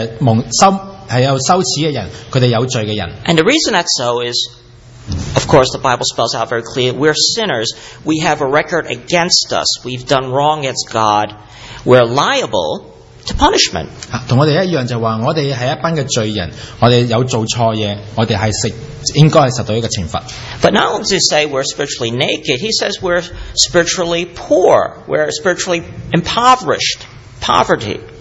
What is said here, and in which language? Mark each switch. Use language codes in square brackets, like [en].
[zh] 耶稣讲的就是说，他们这帮老底家的人，他们在属灵上是赤身露体，意思是什么？讲解就是说，他们是一帮的蒙羞，是有羞耻的人，他们有罪的人。 [en] And the reason that's so is, of course, the Bible spells out very clearly, we're sinners, we have a record against us, we've done wrong against God, we're liable to punishment. [zh] 跟我们一样，就是说，我们是一帮的罪人，我们有做错事，我们是应该受到一个惩罚。 [en] But not only does he say we're spiritually naked, he says we're spiritually poor, we're spiritually impoverished, poverty.